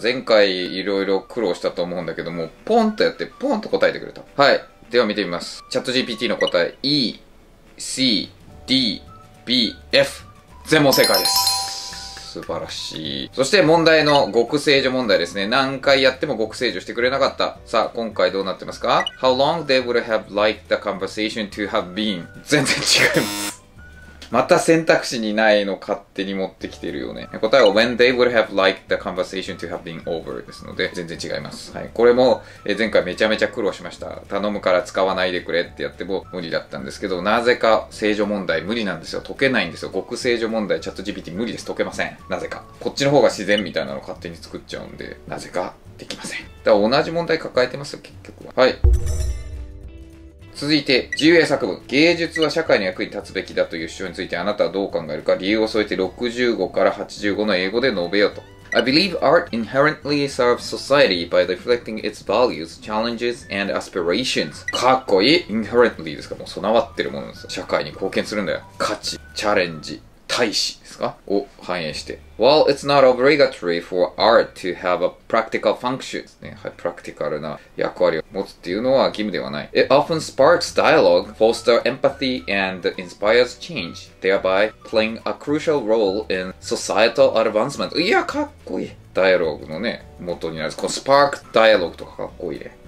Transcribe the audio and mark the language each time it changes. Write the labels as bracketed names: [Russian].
[Japanese] 前回いろいろ苦労したと思うんだけども、ポンとやって、ポンと答えてくれた。はい。では見てみます。チャット GPT の答え、E、C、D、B、F。全問正解です。素晴らしい。そして問題の極正序問題ですね。何回やっても極正序してくれなかった。さあ、今回どうなってますか [English] ?How long they would have liked the conversation to have been? [Japanese] 全然違います。また選択肢にないの勝手に持ってきてるよね。答えは [English] When they would have liked the conversation to have been over [Japanese] ですので、全然違います。はい。これも、前回めちゃめちゃ苦労しました。頼むから使わないでくれってやっても無理だったんですけど、なぜか正序問題無理なんですよ。解けないんですよ。極正序問題、チャット GPT 無理です。解けません。なぜか。こっちの方が自然みたいなの勝手に作っちゃうんで、なぜかできません。だから同じ問題抱えてますよ、結局は。はい。続いて、自由英作文。芸術は社会の役に立つべきだという主張についてあなたはどう考えるか、理由を添えて65から85の英語で述べようと。 [English] I believe art inherently serves society by reflecting its values, challenges, and aspirations. [Japanese] かっこいい。 inherently ですか、もう備わってるものです。社会に貢献するんだよ。価値、チャレンジ、大使ですかを反映して。 [English] While it's not obligatory for art to have a practical function. [Japanese] ね、はい、プラクティカルな役割を持つっていうのは義務ではない。 [English] It often sparks dialogue, fosters empathy, and inspires change, thereby playing a crucial role in societal advancement. [Japanese] いや、かっこいい。ダイアログのね、元になる。このスパークダイアログとかかっこいいね。